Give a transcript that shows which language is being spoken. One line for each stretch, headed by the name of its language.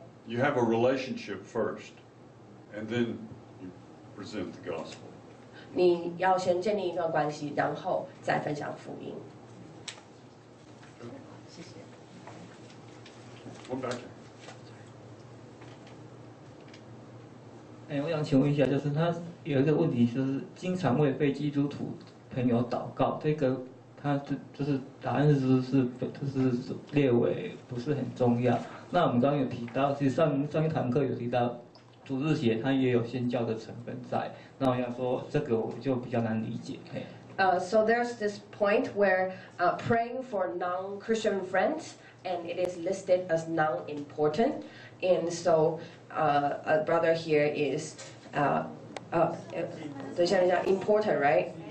English: You have a relationship first, and then you present the gospel.
Chinese: 你要先建立一段关系，然后再分享福音。谢谢。
English: One back here.
Chinese: 哎，我想请问一下，就是他有一个问题，就是经常为非基督徒朋友祷告，这个他就是答案是就是列为不是很重要。那我们刚刚有提到，其实上一堂课有提到，主日学他也有宣教的成分在。那我想说，这个我就比较难理解。
English: So there's this point where praying for non-Christian friends and it is listed as non-important. And so, a brother here is,
Chinese: 等一下,
English: important, right?